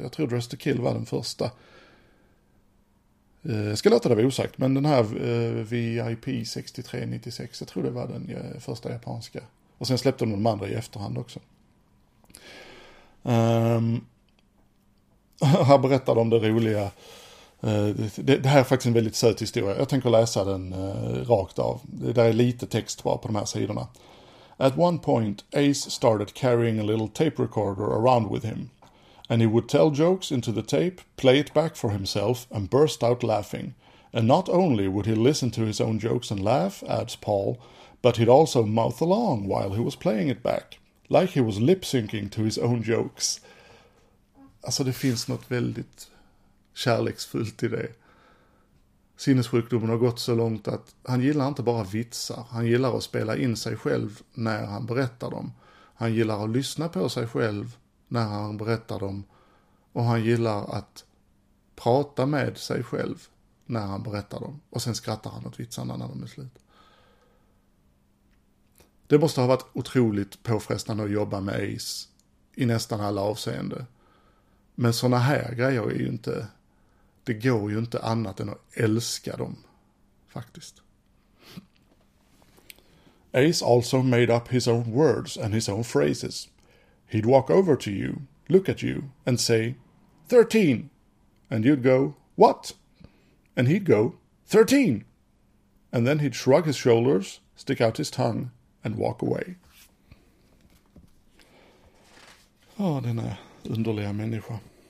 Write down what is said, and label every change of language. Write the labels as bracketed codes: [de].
[sv] Jag tror Dress to Kill var den första. Jag ska låta det vara osagt, men den här VIP 6396, jag tror det var den första japanska. Och sen släppte de andra i efterhand också. Här berättar de det roliga. Det här är faktiskt en väldigt söt historia. Jag tänker läsa den rakt av. Det är lite text bara på de här sidorna. [en] At one point, Ace started carrying a little tape recorder around with him, and he would tell jokes into the tape, play it back for himself, and burst out laughing. And not only would he listen to his own jokes and laugh, adds Paul, but he'd also mouth along while he was playing it back, like he was lip-syncing to his own jokes. [sv] Alltså, det finns något väldigt kärleksfullt i det. Sinnessjukdomen har gått så långt att han gillar inte bara vitsar. Han gillar att spela in sig själv när han berättar dem. Han gillar att lyssna på sig själv när han berättar dem. Och han gillar att prata med sig själv när han berättar dem. Och sen skrattar han åt vitsarna när de är slut. Det måste ha varit otroligt påfrestande att jobba med Ace i nästan alla avseende. Men såna här grejer är ju inte... Det går ju inte annat än att älska dem, faktiskt. [en] Ace also made up his own words and his own phrases. He'd walk over to you, look at you, and say, 13. And you'd go, what? And he'd go, 13. And then he'd shrug his shoulders, stick out his tongue, and walk away. [sv] Åh, den här underliga människa.